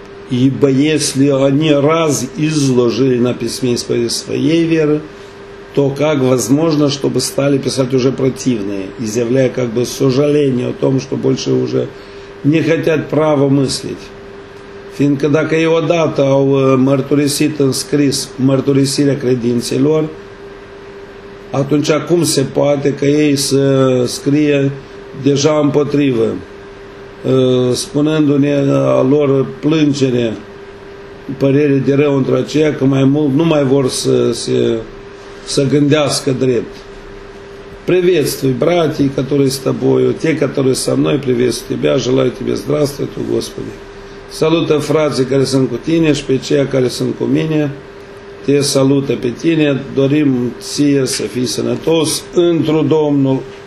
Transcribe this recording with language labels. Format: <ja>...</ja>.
<ru>Ибо если они раз изложили на письме исповедь своей веры, то как возможно, чтобы стали писать уже противные, изъявляя как бы сожаление о том, что больше уже не хотят право мыслить?</ru> <ro>Fiindcă dacă ei odată au mărturisit în scris mărturisirea credințelor, atunci cum se poate că ei să scrie deja împotrivă, spunându-ne a lor plângere, părere de rău între aceia, că mai mult nu mai vor să gândească drept.</ro> <ru>Приветствуй, братья, которые с тобою, те, которые со мной, приветствую тебя, желаю тебе здравствуй, tu, Господи.</ru> <ro>Salută frații care sunt cu tine și pe cei care sunt cu mine, te salută pe tine, dorim ție să fii sănătos într-o Domnul.</ro>